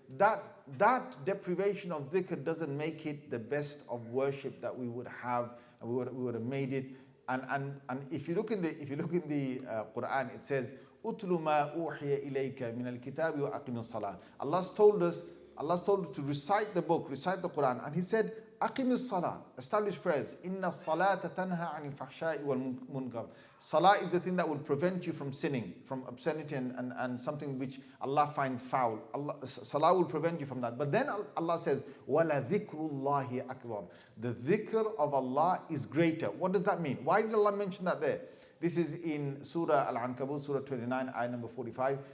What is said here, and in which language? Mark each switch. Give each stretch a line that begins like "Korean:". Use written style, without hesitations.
English: That deprivation of dhikr doesn't make it the best of worship that we would have, and we would have made it. And if you look in the Quran, it says,
Arabic: "Utlu ma uhiya ilayka min al-kitab wa aqimis salah."
English: Allah's told us to recite the book, recite the Quran, and He said,
Arabic: أقم الصلاة,
English: establish prayers.
Arabic: إن الصلاة تنهى عن الفحشاء والمنكر.
English: Salah is the thing that will prevent you from sinning, from obscenity and something which Allah finds foul. Salah will prevent you from that. But then Allah says,
Arabic: ولا ذكر الله أكبر.
English: The dhikr of Allah is greater. What does that mean? Why did Allah mention that there? This is in Surah Al-Ankabut, Surah 29, ayah number 45.